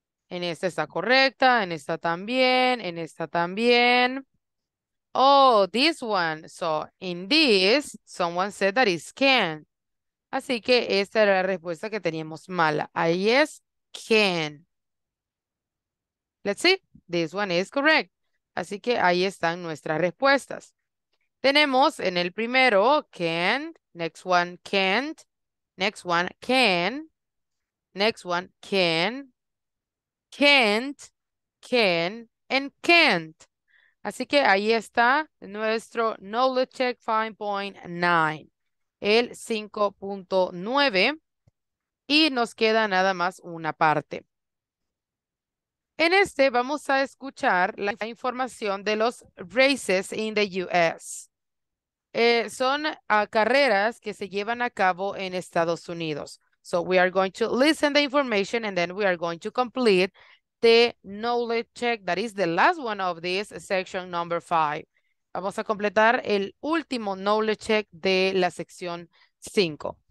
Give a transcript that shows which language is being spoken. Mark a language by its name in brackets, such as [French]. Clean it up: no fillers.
[Spanish] En esta está correcta, en esta también, en esta también. [English] Oh, this one. So, in this, someone said that is can. [Spanish] Así que esta era la respuesta que teníamos mala. Ahí es can. [English] Let's see. This one is correct. [Spanish] Así que ahí están nuestras respuestas. Tenemos en el primero, can. [English] Next one, can't. Next one, can. Next one, can. Can't, can, and can't. [Spanish] Así que ahí está nuestro knowledge check 5.9. El 5.9. Y nos queda nada más una parte. En este vamos a escuchar la información de los [English] races in the U.S. [Spanish] Son carreras que se llevan a cabo en Estados Unidos. [English] So we are going to listen the information and then we are going to complete the knowledge check, that is the last one of this section number 5. [Spanish] Vamos a completar el último knowledge check de la sección 5.